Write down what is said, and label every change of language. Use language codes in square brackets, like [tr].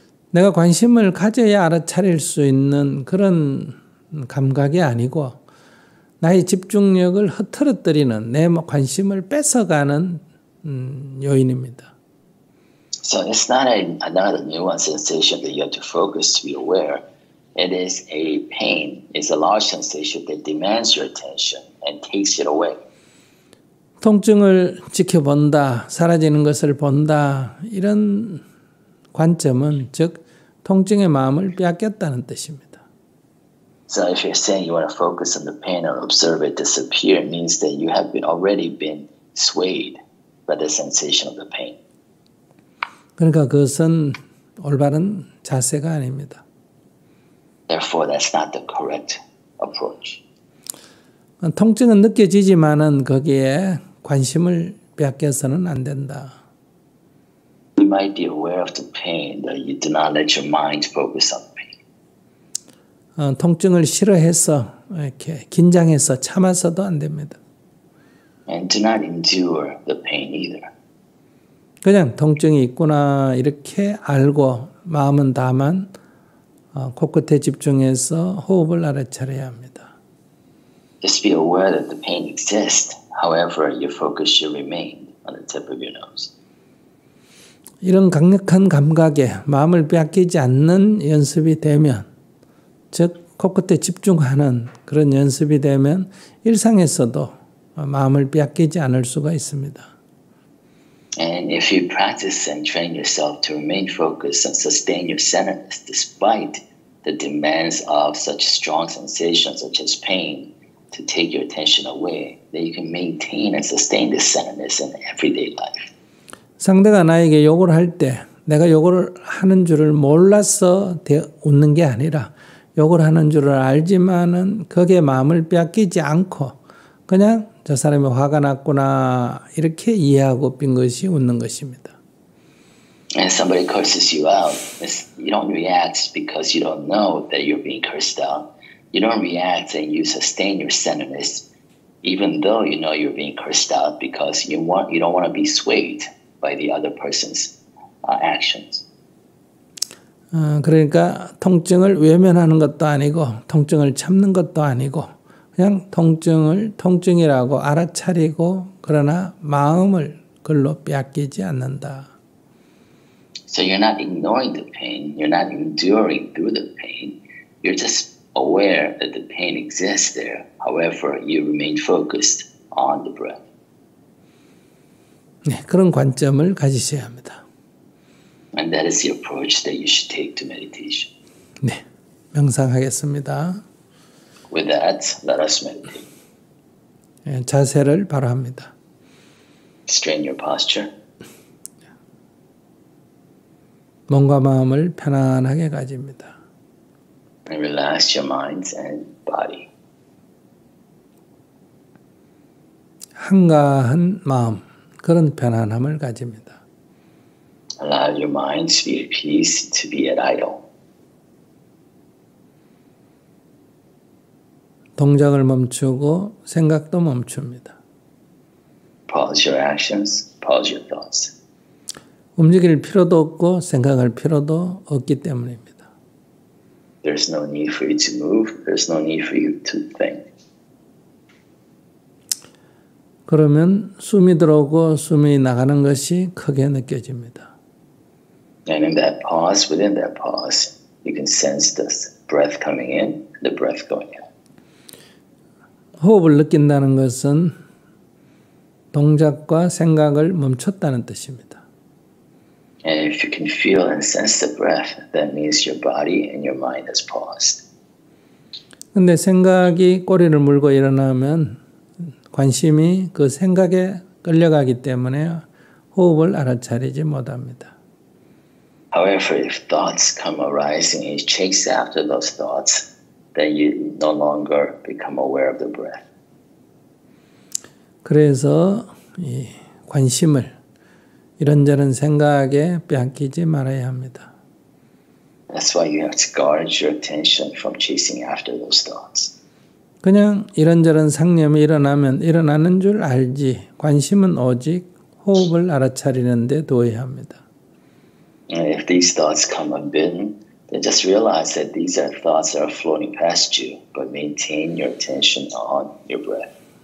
[ko] 내가 관심을 가져야 알아차릴 수 있는 그런 감각이 아니고 나의 집중력을 흐트러뜨리는 내 관심을 뺏어가는 요인입니다. [en] So it's not another nuanced sensation that you have to focus to be aware. It is a pain. It's a large sensation that demands your attention and takes it away. [ko] 통증을 지켜본다, 사라지는 것을 본다 이런 관점은 즉 통증의 마음을 빼앗겼다는 뜻입니다. [en] So if you're saying you want to focus on the pain and observe it disappear, it means that you have already been swayed by the sensation of the pain. [ko] 그러니까 그것은 올바른 자세가 아닙니다. [en] Therefore, that's not the correct approach. [ko] 통증은 느껴지지만은 거기에 관심을 빼앗겨서는 안 된다. [en] You might be aware of the pain, but you do not let your mind focus on pain. [ko] 통증을 싫어해서 이렇게 긴장해서 참아서도 안 됩니다. [en] And do not endure the pain either. [ko] 그냥 통증이 있구나 이렇게 알고 마음은 다만 코끝에 집중해서 호흡을 알아차려야 합니다. [en] Just be aware that the pain exists. However, your focus should remain on the tip of your nose. [ko] 이런 강력한 감각에 마음을 빼앗기지 않는 연습이 되면, 즉 코끝에 집중하는 그런 연습이 되면 일상에서도 마음을 빼앗기지 않을 수가 있습니다. [en] And if you practice and train yourself to remain focused and sustain your centeredness despite the demands of such strong sensations such as pain to take your attention away, then you can maintain and sustain this centeredness in everyday life. [ko] 상대가 나에게 욕을 할 때 내가 욕을 하는 줄을 몰라서 웃는 게 아니라 욕을 하는 줄을 알지만은 거기에 마음을 빼앗기지 않고 그냥 저 사람이 화가 났구나 이렇게 이해하고 빈 것이 웃는 것입니다. [en] And somebody curses you out. You don't react because you don't know that you're being cursed out. You don't react and you sustain your centeredness even though you know you're being cursed out because you don't want to be swayed by the other person's actions. [ko] 그러니까 통증을 외면하는 것도 아니고 통증을 참는 것도 아니고 그냥 통증을 통증이라고 알아차리고 그러나 마음을 그걸로 빼앗기지 않는다. [en] So you're not ignoring the pain, you're not enduring through the pain, you're just aware that the pain exists there. However, you remain focused on the breath. [ko] 네, 그런 관점을 가지셔야 합니다. [en] And that is the approach that you should take to meditation. [ko] 네, 명상하겠습니다. [en] With that, let us meditate. [ko] 네, 자세를 바로 합니다. [en] Strain your posture. [ko] 몸과 마음을 편안하게 가집니다. [en] And relax your mind and body. [ko] 한가한 마음, 그런 편안함을 가집니다. [en] Allow your mind to be at peace, to be at idle. [ko] 동작을 멈추고 생각도 멈춥니다. [en] Pause your actions, pause your thoughts. [ko] 움직일 필요도 없고 생각할 필요도 없기 때문입니다. [en] There's no need for you to move, there's no need for you to think. [ko] 그러면 숨이 들어오고 숨이 나가는 것이 크게 느껴집니다. [en] And in that pause, within that pause, you can sense the breath coming in, the breath going out. [ko] 호흡을 느낀다는 것은 동작과 생각을 멈췄다는 뜻입니다. [en] And if you can feel and sense the breath, that means your body and your mind has paused. [ko] 근데 생각이 꼬리를 물고 일어나면 관심이 그 생각에 끌려가기 때문에 호흡을 알아차리지 못합니다. [en] However, if thoughts come arising and you chase after those thoughts, then you no longer become aware of the breath. [ko] 그래서 이 관심을 이런저런 생각에 빼앗기지 말아야 합니다. [en] That's why you have to guard your attention from chasing after those thoughts. [ko] 그냥 이런저런 상념이 일어나면 일어나는 줄 알지 관심은 오직 호흡을 알아차리는 데 두어야 합니다. [en] And if these thoughts come unbidden, then just realize that these are thoughts that are floating past you, but maintain your attention on your breath.